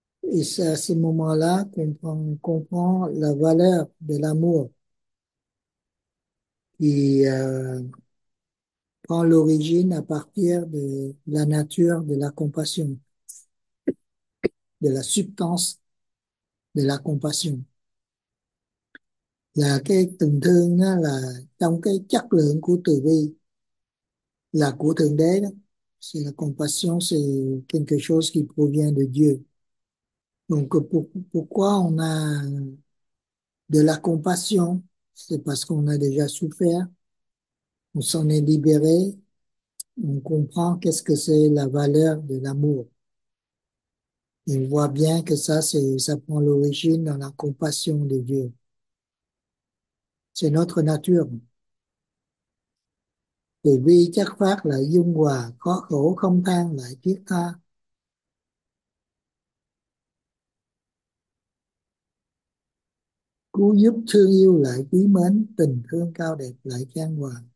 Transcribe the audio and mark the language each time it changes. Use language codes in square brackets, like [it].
[fr] Et c'est à ce moment-là qu'on comprend la valeur de l'amour qui prend l'origine à partir de la nature de la compassion, de la substance de la compassion. [vi] Là cái tình thương đó, là trong cái chất lượng của từ bi là của Thượng Đế đó. [fr] C'est la compassion, c'est quelque chose qui provient de Dieu. Donc pourquoi on a de la compassion? C'est parce qu'on a déjà souffert, on s'en est libéré, on comprend qu'est-ce que c'est la valeur de l'amour. Et on voit bien que ça prend l'origine dans la compassion de Dieu. C'est notre nature. [vi] Từ bi chất phát là dung hòa, khó khổ không than lại thiết tha. Cứu giúp thương yêu lại quý mến, tình thương cao đẹp lại chan hòa.